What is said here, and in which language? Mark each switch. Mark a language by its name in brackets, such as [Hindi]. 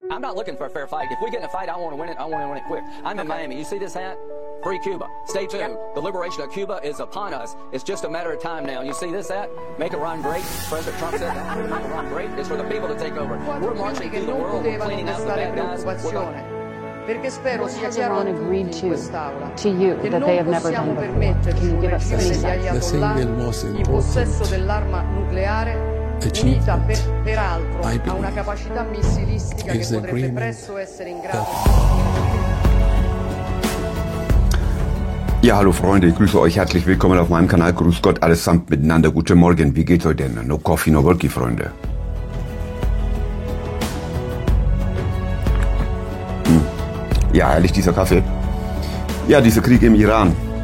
[English] I'm not looking for a fair fight. If we get in a fight, I want to win it. I want to win it quick. I'm in Miami. You see this hat? Free Cuba. Stay tuned. Yep. The liberation of Cuba is upon us. It's just a matter of time now. You see this hat? Make Iran great. President Trump said that. Make Iran great. It's for the people to take over. We're marching through the world, cleaning out the bad guys. [Italian] Perché spero sia chiaro a tutti in quest'aula che non possiamo permetterci un regime di Ayatollah in possesso dell'arma nucleare unita peraltro a una capacità missilistica che potrebbe presto essere in grado. [German] Ja, hallo Freunde, ich grüße euch herzlich willkommen auf meinem Kanal. Grüß Gott, alles samt miteinander. Guten Morgen, wie geht's euch denn? [English] No coffee, no worky, [German] Freunde. Ja, herrlich dieser Kaffee. Ja, dieser Krieg im Iran.